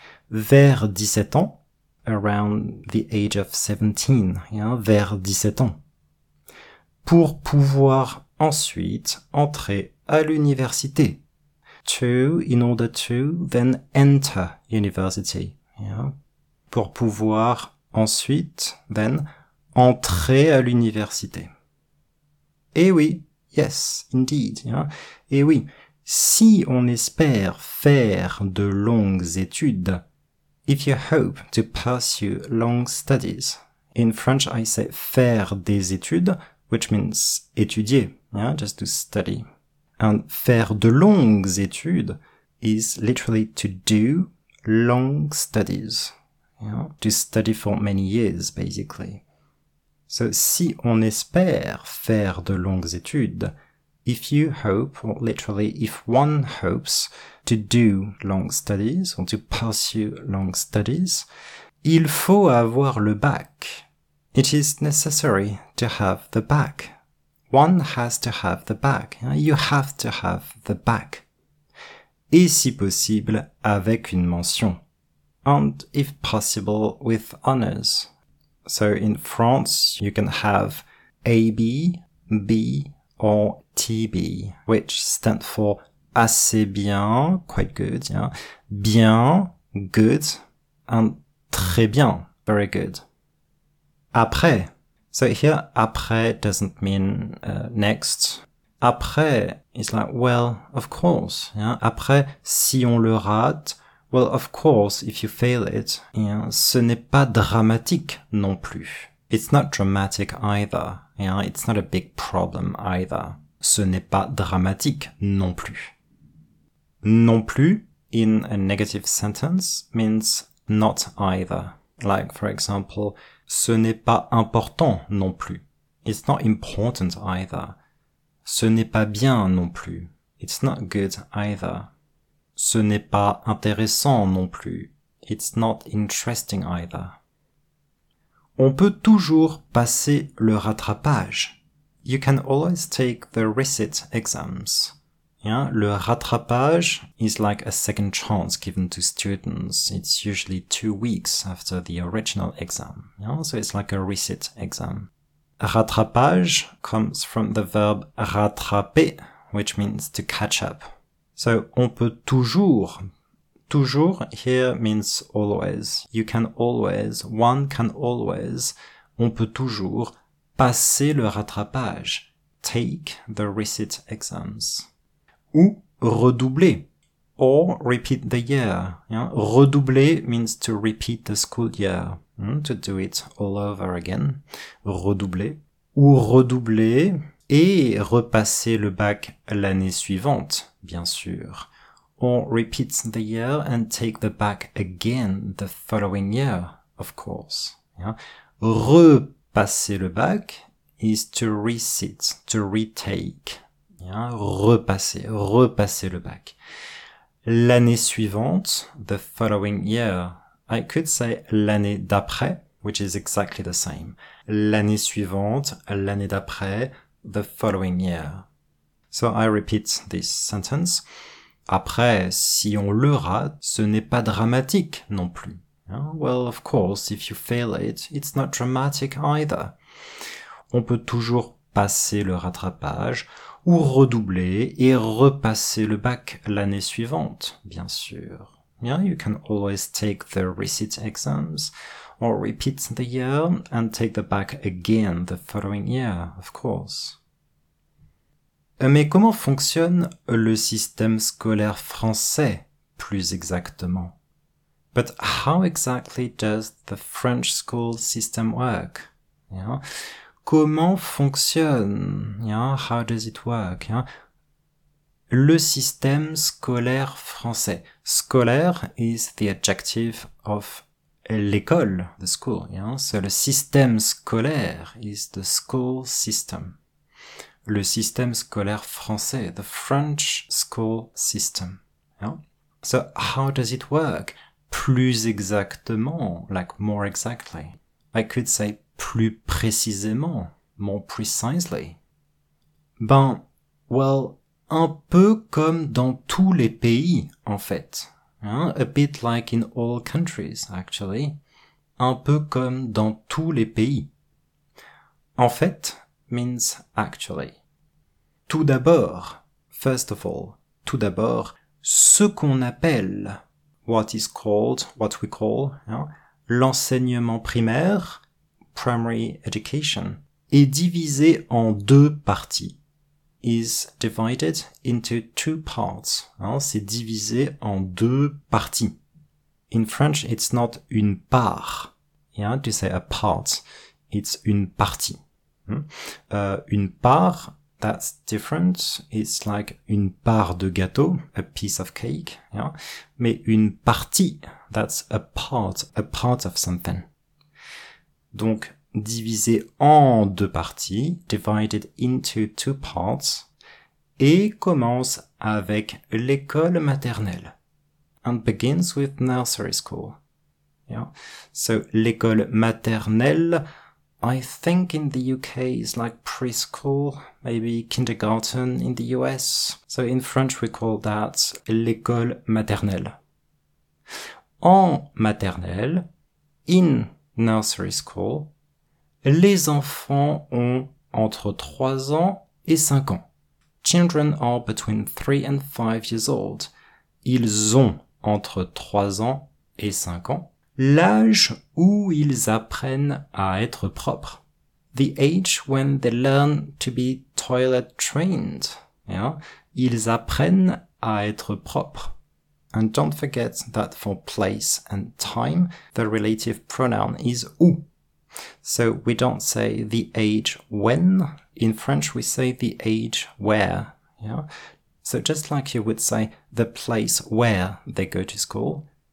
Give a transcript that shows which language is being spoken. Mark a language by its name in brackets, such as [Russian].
[French] Vers 17 ans, [English] around the age of 17, yeah, [French] vers 17 ans, pour pouvoir ensuite entrer à l'université. [English] To, in order to, then enter university. Yeah. [French] Pour pouvoir ensuite, [English] then, [French] entrer à l'université. Eh oui, [English] yes, indeed. Yeah. [French] Eh oui, si on espère faire de longues études, [English] if you hope to pursue long studies. In French, I say [French] faire des études, [English] which means [French] étudier, [English] yeah, just to study. And [French] faire de longues études [English] is literally to do long studies. Yeah, to study for many years, basically. So, [French] si on espère faire de longues études, [English] if you hope, or literally, if one hopes to do long studies, or to pursue long studies, [French] il faut avoir le bac. [English] It is necessary to have the bac. One has to have the bac. You have to have the bac. [French] Et si possible, avec une mention. [English] And if possible, with honors. So in France, you can have AB, B, or TB, which stand for [French] assez bien, [English] quite good, yeah, bien, good, and [French] très bien, [English] very good. Après, so here, après doesn't mean next. Après, it's like, well, of course, yeah, après, [French] si on le rate, [English] well, of course, if you fail it, yeah, [French] ce n'est pas dramatique non plus. [English] It's not dramatic either, yeah, it's not a big problem either. [French] Ce n'est pas dramatique non plus. [English] Non plus, in a negative sentence, means not either. Like, for example, [French] ce n'est pas important non plus. [English] It's not important either. [French] Ce n'est pas bien non plus. [English] It's not good either. [French] Ce n'est pas intéressant non plus. [English] It's not interesting either. [French] On peut toujours passer le rattrapage. [English] You can always take the recit exams. Yeah, le rattrapage is like a second chance given to students. It's usually 2 weeks after the original exam. Yeah, so it's like a recit exam. Rattrapage comes from the verb rattraper, which means to catch up. So [French] on peut toujours. [English] Toujours here means always. You can always, one can always, [French] on peut toujours passer le rattrapage, [English] take the recit exams. [French] Ou redoubler, [English] or repeat the year. Yeah? Redoubler means to repeat the school year, to do it all over again. Redoubler. [French] Ou redoubler, et repasser le bac l'année suivante, bien sûr. [English] Or repeat the year and take the bac again the following year, of course. Yeah. [French] Repasser le bac [English] is to resit, to retake. Yeah. [French] Repasser le bac. L'année suivante, [English] the following year, I could say [French] l'année d'après, [English] which is exactly the same. L'année suivante, l'année d'après, the following year. So I repeat this sentence. [French] Après, si on le rate, ce n'est pas dramatique non plus. [English] Well, of course, if you fail it, it's not dramatic either. [French] On peut toujours passer le rattrapage ou redoubler et repasser le bac l'année suivante, bien sûr. [English] Yeah, you can always take the recit exams or repeat the year and take the bac again the following year, of course. [French] Mais comment fonctionne le système scolaire français, plus exactement? [English] But how exactly does the French school system work? [French] Yeah. Comment fonctionne? Yeah. [English] How does it work? Yeah. [French] Le système scolaire français. [English] Scolaire is the adjective of l'école, the school. Yeah. So [French] le système scolaire [English] is the school system. [French] Le système scolaire français, [English] the French school system. Yeah. So how does it work? [French] Plus exactement, [English] like more exactly. I could say [French] plus précisément, [English] more precisely. [French] Ben, [English] well, [French] un peu comme dans tous les pays, en fait. Hein? [English] A bit like in all countries, actually. [French] Un peu comme dans tous les pays. En fait [English] means actually. [French] Tout d'abord, [English] first of all, [French] tout d'abord, ce qu'on appelle... [English] What is called, what we call, yeah, [French] l'enseignement primaire, [English] primary education, [French] est divisé en deux parties, [English] is divided into two parts, hein, [French] c'est divisé en deux parties. [English] In French, it's not [French] une part, [English] yeah, to say a part, it's [French] une partie. [English] Hmm? [French] Une part, [English] that's different. It's like [French] une part de gâteau, [English] a piece of cake, yeah. [French] Mais une partie, [English] that's a part of something. [French] Donc, divisé en deux parties, [English] divided into two parts, [French] et commence avec l'école maternelle. [English] And begins with nursery school. Yeah. So, [French] l'école maternelle, [English] I think in the UK it's like preschool, maybe kindergarten in the US. So in French we call that [French] l'école maternelle. En maternelle, [English] in nursery school, [French] les enfants ont entre 3 ans et 5 ans. [English] Children are between 3 and 5 years old. [French] Ils ont entre 3 ans et 5 ans. L'âge où ils apprennent à être propres. [English] The age when they learn to be toilet trained. Yeah. [French] Ils apprennent à être propres. [English] And don't forget that for place and time, the relative pronoun is où. So we don't say the age when. In French, we say the age where. Yeah. So just like you would say the place where they go to school.